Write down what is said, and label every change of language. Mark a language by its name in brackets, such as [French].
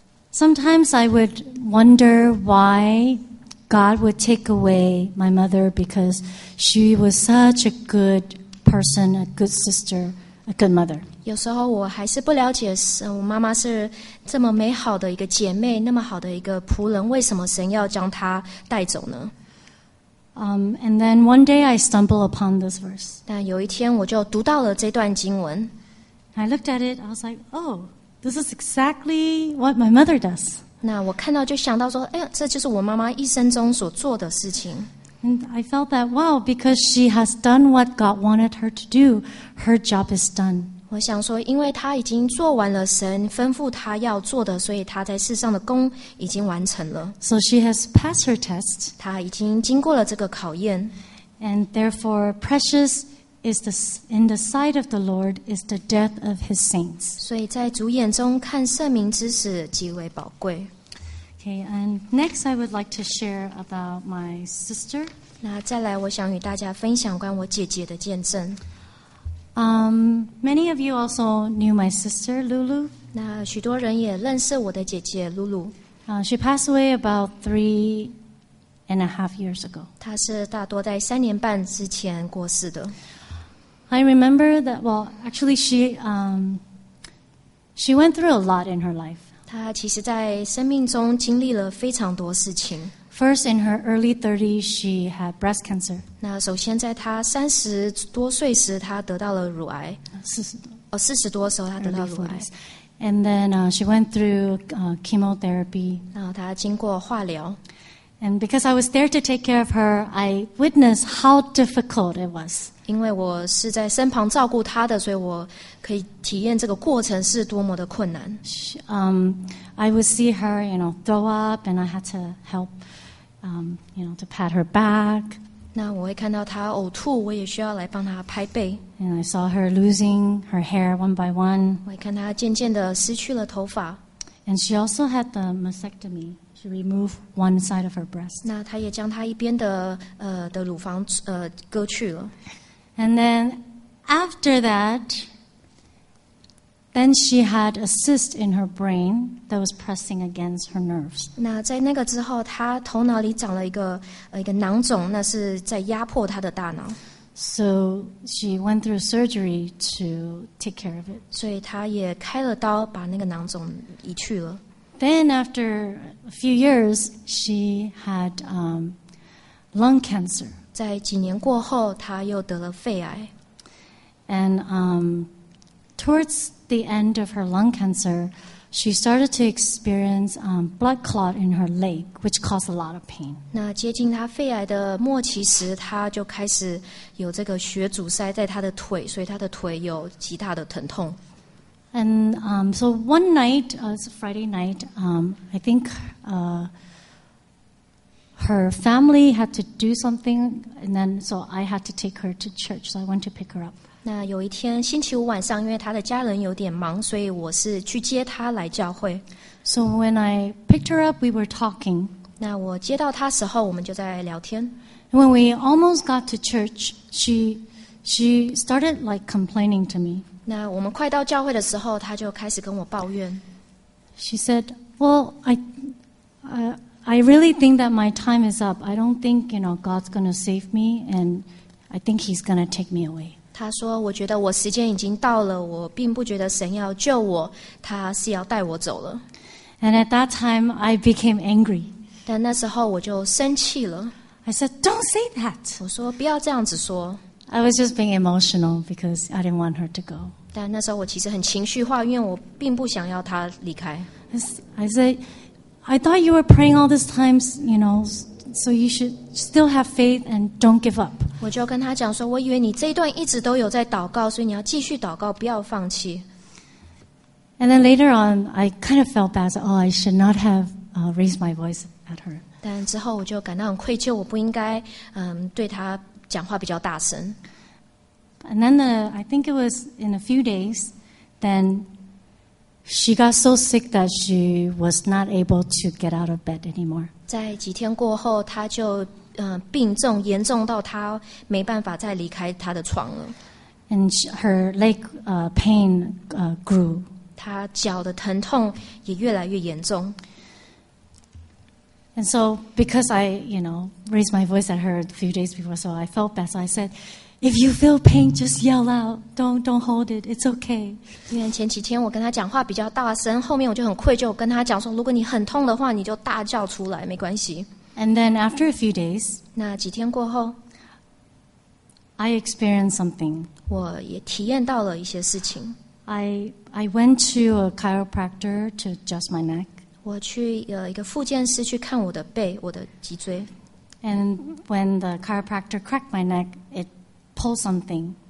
[English] Sometimes I would wonder why God would take away my mother because she was such a good person, a good sister, a good mother. [Chinese] 有时候我还是不了解，我妈妈是这么美好的一个姐妹，那么好的一个仆人，为什么神要将她带走呢？ [English] And then one day I stumbled upon this verse. [Chinese] 但有一天我就读到了这段经文。 [English] I looked at it, I was like, oh. This is exactly what my mother does. [Chinese] 那我看到就想到说，哎呀，这就是我妈妈一生中所做的事情。 [English] And I felt that, wow, because she has done what God wanted her to do, her job is done. [Chinese] 我想说，因为她已经做完了神吩咐她要做的，所以她在世上的工已经完成了。 [English] So she has passed her test. [Chinese] 她已经经过了这个考验。 [English] And therefore, precious is the in the sight of the Lord is the death of His saints. [Chinese] 所以在主眼中看圣民之死极为宝贵。 [English] Okay, and next I would like to share about my sister. [Chinese] 那再来，我想与大家分享关我姐姐的见证。 [English] Many of you also knew my sister Lulu. [Chinese] 那许多人也认识我的姐姐 Lulu. [English] She passed away about 3.5 years ago. [Chinese] 她是大多在三年半之前过世的。 [English] I remember that. Well, actually, she went through a lot in her life. [Chinese] 她其实在生命中经历了非常多事情。 [English] First, in her early 30s, she had breast cancer. [Chinese] 那首先在她三十多岁时，她得到了乳癌。四十多时候她得到乳癌。 [English] And then she went through chemotherapy. [Chinese] 然后她经过化疗。 [English] And because I was there to take care of her, I witnessed how difficult it was. [Chinese] 因为我是在身旁照顾她的，所以我可以体验这个过程是多么的困难。 [English] I would see her, you know, throw up, and I had to help. You know, to pat her back. [Chinese] 那我会看到她呕吐，我也需要来帮她拍背。 [English] And I saw her losing her hair one by one. [Chinese] 我看她渐渐的失去了头发。 [English] And she also had the mastectomy. She removed one side of her breast. [Chinese] 那她也将她一边的的乳房割去了。 [English] And then after that, then she had a cyst in her brain that was pressing against her nerves. [Chinese] 那在那个之后，她头脑里长了一个囊肿，那是在压迫她的大脑。 [English] So she went through surgery to take care of it. [Chinese] 所以她也开了刀把那个囊肿移去了。 [English] Then after a few years, she had lung cancer. [Chinese] 在几年过后，她又得了肺癌。 [English] And towards the end of her lung cancer, she started to experience blood clot in her leg, which caused a lot of pain. [Chinese] 那接近她肺癌的末期时，她就开始有这个血阻塞在她的腿，所以她的腿有极大的疼痛。 [English] And so one night, it's a Friday night, I think her family had to do something, and then so I had to take her to church, so I went to pick her up. [Chinese] 那有一天星期五晚上，因为他的家人有点忙，所以我是去接他来教会。 [English] So when I picked her up, we were talking. [Chinese] 那我接到他时候，我们就在聊天。 [English] And when we almost got to church, she started like complaining to me. [Chinese] 那我们快到教会的时候，他就开始跟我抱怨。 [English] She said, "Well, I really think that my time is up. I don't think you know God's going to save me, and I think He's going to take me away." [Chinese] 他说：“我觉得我时间已经到了，我并不觉得神要救我，他是要带我走了。” [English] And at that time, I became angry. [Chinese] 但那时候我就生气了。 [English] I said, "Don't say that." [Chinese] 我说：“不要这样子说。” [English] I was just being emotional because I didn't want her to go. [Chinese] 但那时候我其实很情绪化，因为我并不想要她离开。 [English] I said, "I thought you were praying all these times, you know." So you should still have faith and don't give up. [Chinese] 我就跟他讲说，我以为你这一段一直都有在祷告，所以你要继续祷告，不要放弃。 [English] And then later on, I kind of felt bad. Oh, I should not have raised my voice at her. [Chinese] 但之后我就感到很愧疚，我不应该对他讲话比较大声。 [English] And then I think it was in a few days, then she got so sick that she was not able to get out of bed anymore. [Chinese] 在几天过后，她就病重，严重到她没办法再离开她的床了。 [English] And her leg pain grew. [Chinese] 她脚的疼痛也越来越严重。 [English] And so, because I, you know, raised my voice at her a few days before, so I felt bad. So I said, "If you feel pain, just yell out. Don't hold it. It's okay." [Chinese] 因为前几天我跟她讲话比较大声，后面我就很愧疚，跟她讲说，如果你很痛的话，你就大叫出来，没关系。 [English] And then after a few days, [Chinese] 那几天过后 [English] ，I experienced something. [Chinese] 我也体验到了一些事情。 [English] I went to a chiropractor to adjust my neck. [Chinese] 我去一个复健师去看我的背，我的脊椎。 [English] And when the chiropractor cracked my neck, it pulled something.